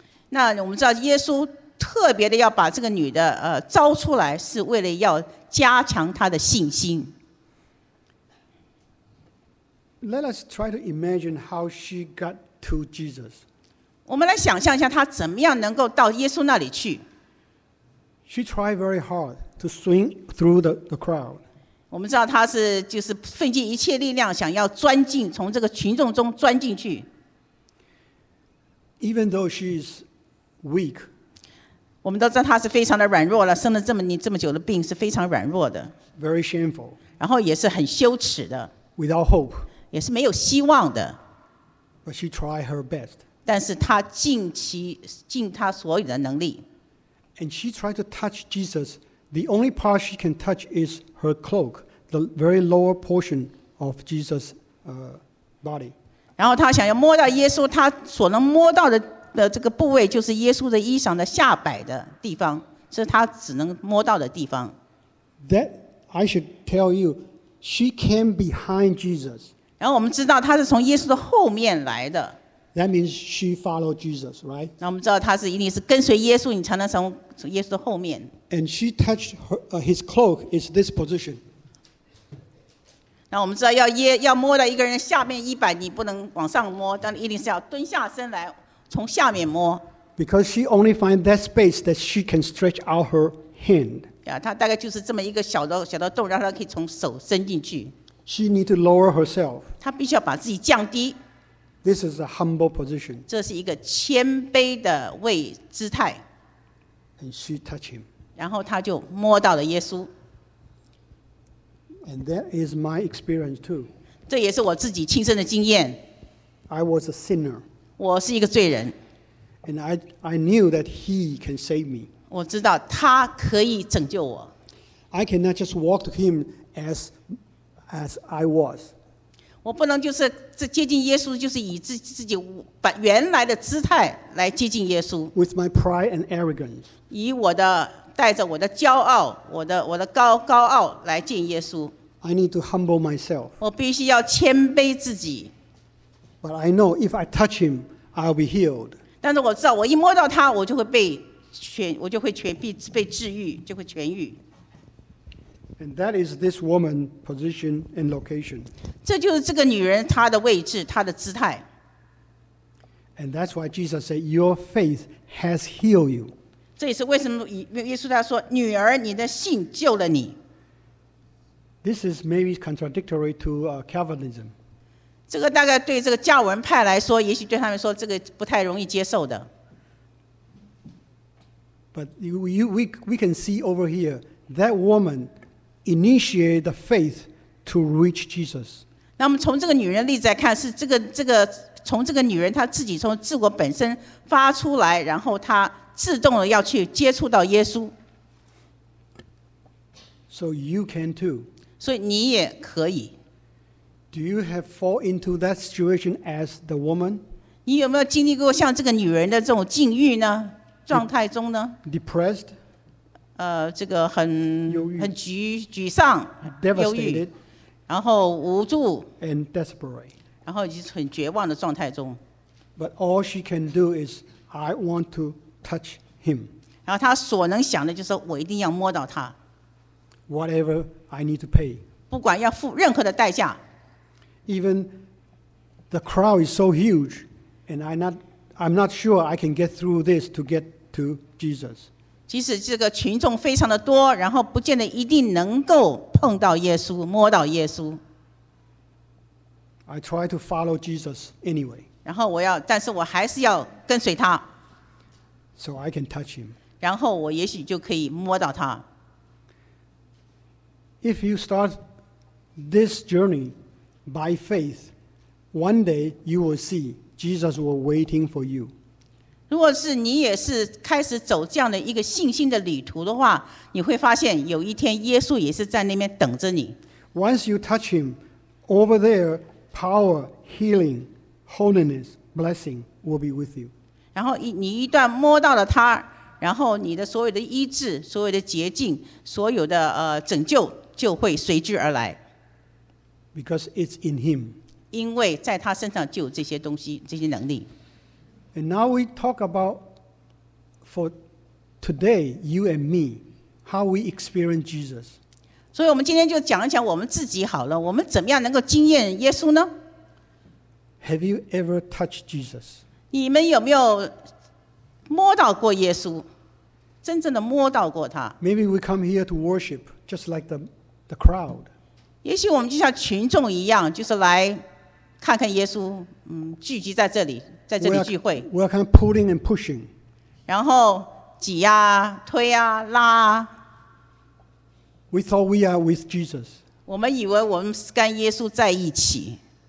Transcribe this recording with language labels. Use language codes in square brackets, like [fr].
[zh] 那我们知道耶稣特别的要把这个女的招出来，是为了要加强她的信心。 [en] Let us try to imagine how she got to Jesus. [zh] 我们来想象一下她怎么样能够到耶稣那里去。 [en] She tried very hard to swing through the crowd. [zh] 我们知道她是就是奋尽一切力量想要钻进从这个群众中钻进去。 [en] Even though she is weak. [zh] 我们都知道她是非常的软弱了，生了这么久的病是非常软弱的。 [en] Very shameful. [zh] 然后也是很羞耻的。 [en] Without hope. [zh] 也是没有希望的。 [en] But she tried her best. [zh] 但是她尽她所有的能力。 [en] And she tried to touch Jesus. The only part she can touch is her cloak, the very lower portion of Jesus' body. [zh] 然后她想要摸到耶稣，她所能摸到的。的这个部位就是耶稣的衣裳的下摆的地方，是他只能摸到的地方。 [en] That I should tell you, She came behind Jesus. [zh] 然后我们知道她是从耶稣的后面来的。 [en] That means she followed Jesus, right? [zh] 那我们知道她是一定是跟随耶稣，你才能从耶稣的后面。 [en] And she touched her, his cloak. It's this position. [zh] 那我们知道要摸到一个人下面衣摆，你不能往上摸，但一定是要蹲下身来从下面摸。 [en] Because she only find that space that she can stretch out her hand. [zh] 她大概就是这么一个小的洞，让她可以从手伸进去。 [en] She need to lower herself. [zh] 她必须要把自己降低。 [en] This is a humble position. [zh] 这是一个谦卑的位姿态。 [en] And she touch him. [zh] 然后她就摸到了耶稣。 [en] And that is my experience too. [zh] 这也是我自己亲身的经验。 [en] I was a sinner. [zh] 我是一个罪人。 [en] And I knew that he can save me. [zh] 我知道他可以拯救我。 [en] I cannot just walk to him as I was. [zh] 我不能就是接近耶稣，就是以自己原来的姿态来接近耶稣。 [en] With my pride and arrogance. [zh] 以我的带着我的骄傲，我的高傲来见耶稣。 [en] I need to humble myself. [zh] 我必须要谦卑自己。 [en] But I know if I touch him, I'll be healed. [zh] 但是我知道，我一摸到他，我就会被治愈，就会痊愈。 [en] And that is this woman's position and location. [zh] 这就是这个女人她的位置，她的姿态。 [en] And that's why Jesus said, "Your faith has healed you." [zh] 这也是为什么耶稣他说，女儿，你的信救了你。 [en] This is maybe contradictory to Calvinism. [zh] 这个大概对这个加尔文派来说，也许对他们说这个不太容易接受的。 [en] But we can see over here that woman initiated the faith to reach Jesus. [zh] 那我们从这个女人的例子来看，是这个从这个女人她自己从自我本身发出来，然后她自动的要去接触到耶稣。 [en] So you can too. [zh] 所以你也可以。 [en] Do you have fall into that situation as the woman? [zh] 你有没有经历过像这个女人的这种境遇呢？状态中呢？ [en] Depressed. [zh] 这个很沮丧， [en] devastated, [zh] 忧郁，然后无助， [en] and desperate. [zh] 然后就是很绝望的状态中。 [en] But all she can do is, I want to touch him. [zh] 然后她所能想的就是我一定要摸到他。 [en] Whatever I need to pay. [zh] 不管要付任何的代价。 [en] Even the crowd is so huge, and I'm not sure I can get through this to get to Jesus. [zh] 即使这个群众非常的多，然后不见得一定能够碰到耶稣，摸到耶稣。 [en] I try to follow Jesus anyway. [zh] 然后但是我还是要跟随他。 [en] So I can touch him. [zh] 然后我也许就可以摸到他。 [en] If you start this journey by faith, one day you will see Jesus was waiting for you. [zh] 如果是你也是开始走这样的一个信心的旅途的话，你会发现有一天耶稣也是在那边等着你。 [en] Once you touch him, over there, power, healing, holiness, blessing will be with you. [zh] 然后你一旦摸到了他，然后你的所有的医治、所有的洁净、所有的拯救就会随之而来。 [en] Because it's in him. [zh] 因为在他身上就有这些东西、这些能力。 [en] And now we talk about for today, you and me, how we experience Jesus. [zh] 所以我们今天就讲一讲我们自己好了，我们怎么样能够经验耶稣呢？ [en] Have you ever touched Jesus? [zh] 你们有没有摸到过耶稣？真正的摸到过他？ [en] Maybe we come here to worship, just like the crowd. [zh] 也许我们就像群众一样，就是来看看耶稣，聚集在这里。在这里聚会 [en] we are kind of pulling and pushing. [zh] 然后挤啊推啊拉啊 [en] We thought we are with Jesus. [zh] 我们以为我们跟耶稣在一起